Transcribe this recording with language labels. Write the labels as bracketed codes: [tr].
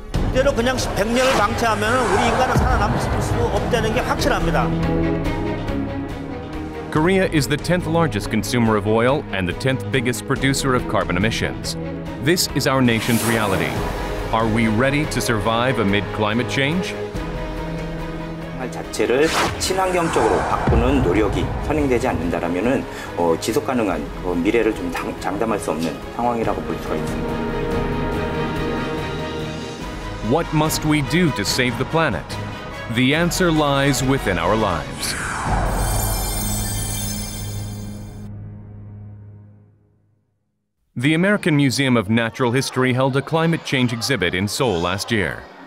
[ko] 이대로 그냥 100년을 방치하면 우리 인간은 살아남을 수 없다는 게 확실합니다. [en] Korea is the 10th largest consumer of oil and the 10th biggest producer of carbon emissions. This is our nation's reality. Are we ready to survive amid climate change? [ko] 자체를 친환경적으로 바꾸는 노력이 선행되지 않는다라면은 지속 가능한 미래를 좀 장담할 수 없는 상황이라고 볼 수가 있습니다. [en] What must we do to save the planet? The answer lies within our lives. The American Museum of Natural History held a climate change exhibit in Seoul last year.